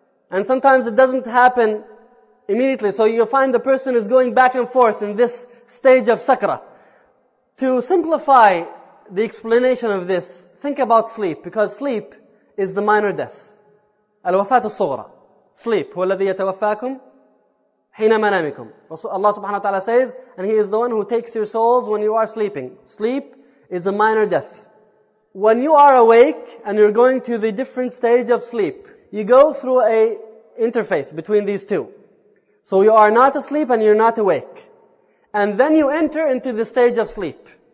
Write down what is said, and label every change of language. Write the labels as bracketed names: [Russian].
[English] And sometimes it doesn't happen immediately. So you find the person is going back and forth in this stage of sakra. To simplify the explanation of this, think about sleep, because sleep is the minor death. Al-wafat al-sughra. Sleep. [Arabic] هو الذي يتوفاكم حين منامكم. [English] Allah subhanahu wa ta'ala says, and He is the one who takes your souls when you are sleeping. Sleep is a minor death. When you are awake and you're going to the different stage of sleep, you go through a interface between these two. So you are not asleep and you're not awake. And then you enter into the stage of sleep.